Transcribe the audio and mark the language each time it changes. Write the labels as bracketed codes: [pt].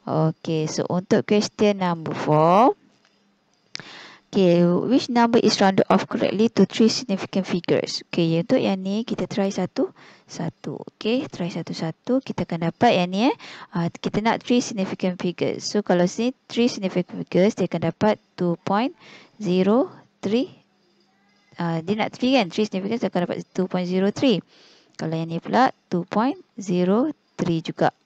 [en] Okay, so untuk question number 4. Okay, which number is rounded off correctly to 3 significant figures? [ms] Okay, untuk yang ni, kita try 1-1. Okay, try 1-1. Kita akan dapat yang ni eh. Kita nak 3 significant figures. So, kalau sini 3 significant figures, dia akan dapat 2.03. Dia nak 3 kan? 3 significance akan dapat 2.03. Kalau yang ni pula 2.03 juga.